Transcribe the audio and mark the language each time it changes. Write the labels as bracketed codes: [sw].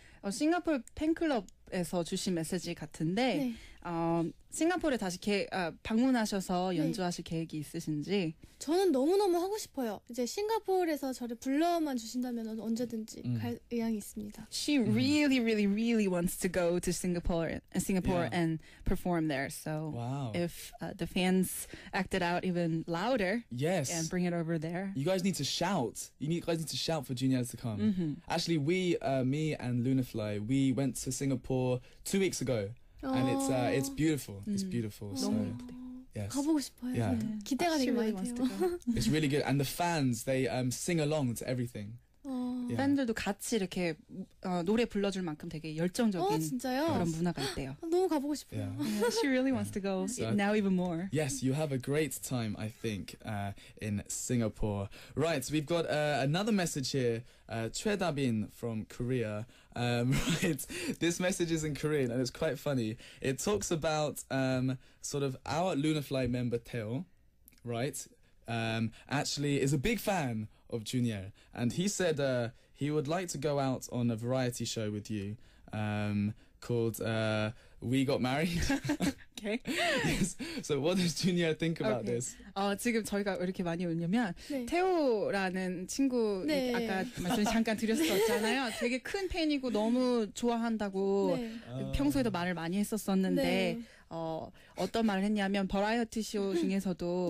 [ko] 싱가포르 팬클럽에서 주신 메시지 같은데 네. 싱가포르에 다시 방문하셔서 연주하실 네. 계획이 있으신지? 저는 너무너무 하고 싶어요. 이제 싱가포르에서 저를 불러만 주신다면 언제든지 갈 의향이 있습니다. [en] She really really really wants to go to Singapore yeah. and perform there. So wow. if the fans acted out even louder yes. and bring it over there. You guys need to shout. You guys need to shout for Junior to come. Mm-hmm. Actually me and Lunafly, we went to Singapore 2 weeks ago. And it's beautiful. It's beautiful. So, yes. [ko] 가보고 싶어요. [en] Yeah. [ko] 기대가 되게 많이 돼요. [en] It's really good. And the fans, they sing along to everything. [ko] 팬들도 같이 이렇게 노래 불러줄 만큼 되게 열정적인 그런 문화가 있대요. 너무 가보고 싶어요. [en] Yeah. Yeah, she really wants to go so, now even more. Yes, you have a great time, I think, in Singapore. Right, so we've got another message here. Choi Dabin from Korea. Right, this message is in Korean and it's quite funny. It talks about sort of our Lunafly member Teo, right? Actually is a big fan of Junior, and he said he would like to go out on a variety show with you called We Got Married. Okay. Yes. So what does Junior think about okay. this? [ko] 지금 저희가 왜 이렇게 많이 웃냐면 네. 태호라는 친구 네. 아까 말씀 잠깐 드렸었잖아요. 되게 큰 팬이고 너무 좋아한다고 네. 평소에도 말을 많이 했었었는데 네. 어떤 말을 했냐면 버라이어티 쇼 중에서도